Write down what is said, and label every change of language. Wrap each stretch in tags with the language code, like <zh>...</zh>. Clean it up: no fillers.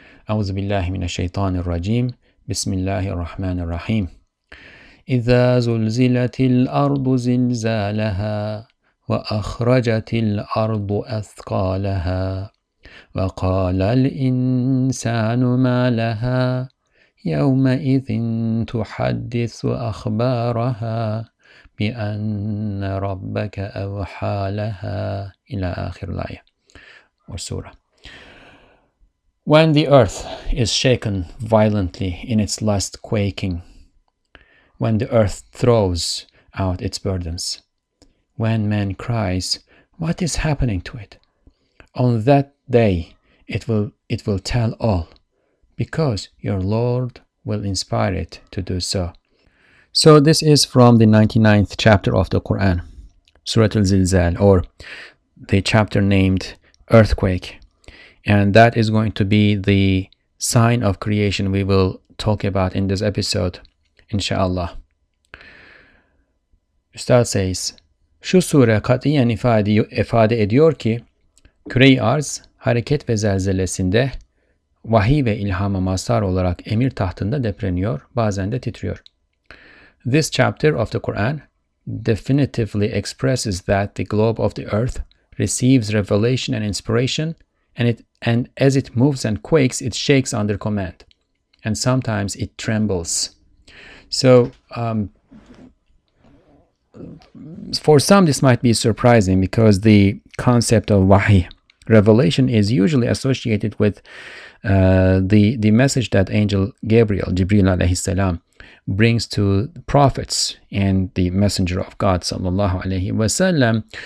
<ar>أعوذ بالله من الشيطان الرجيم بسم الله الرحمن الرحيم إذا زلزلت الأرض زلزالها وأخرجت الأرض أثقالها وقال الإنسان ما لها يومئذ تحدث أخبارها بأن ربك أوحى لها إلى آخر الآية والسورة.</ar> <en>When the earth is shaken violently in its last quaking, when the earth throws out its burdens, when man cries, what is happening to it? On that day, it will tell all, because your Lord will inspire it to do so. So this is from the 99th chapter of the Quran, Surah Al-Zilzal, or the chapter named Earthquake. And that is going to be the sign of creation we will talk about in this episode, inshallah. Ustad says,</en> <tr>şu sure katiyen ifade ediyor ki, küre-i arz hareket ve zelzelesinde vahiy ve ilhama mazhar olarak emir tahtında depreniyor, bazen de titriyor.</tr> <en>This chapter of the Quran definitively expresses that the globe of the earth receives revelation and inspiration, and as it moves and quakes, it shakes under command, and sometimes it trembles. So, for some, this might be surprising because the concept of wahi, revelation, is usually associated with the message that Angel Gabriel, Jibril</en> <ar>alayhi salam,</ar> <en>brings to prophets and the messenger of God,</en> <ar>sallallahu alayhi wasallam.</ar>